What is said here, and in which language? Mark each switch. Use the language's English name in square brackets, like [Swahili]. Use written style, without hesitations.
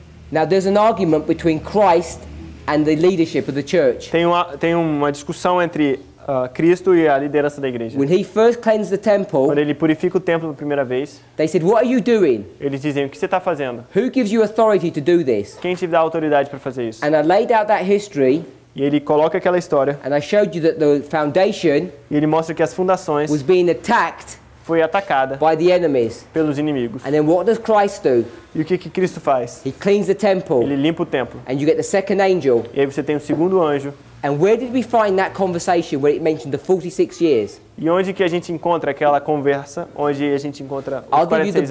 [English] Now there's an argument between Christ and the leadership of the church. [Portuguese] Tem uma discussão entre Cristo e a liderança da igreja. [English] When he first cleansed the temple, [Portuguese] quando ele purifica o templo pela primeira vez, [English] they said, "What are you doing?" [Portuguese] Eles dizem, o que você está fazendo? [English] Who gives you authority to do this? [Portuguese] Quem te dá autoridade para fazer isso? [English] And I laid out that history. [Portuguese] E ele coloca aquela história. [English] And I showed you that the foundation. [Portuguese] E ele mostra que as fundações. [English] Was being attacked. [Portuguese] Foi atacada. [English] By the enemies. [Portuguese] Pelos inimigos. [English] And then what does Christ do? [Portuguese] E o que Cristo faz? [English] He cleans the temple. [Portuguese] Ele limpa o templo. [English] And you get the second angel. [Portuguese] E aí você tem o segundo anjo. [English] And where did we find that conversation where it mentioned the 46 years? [Portuguese] E onde que a gente encontra aquela conversa onde a gente encontra os 46 anos?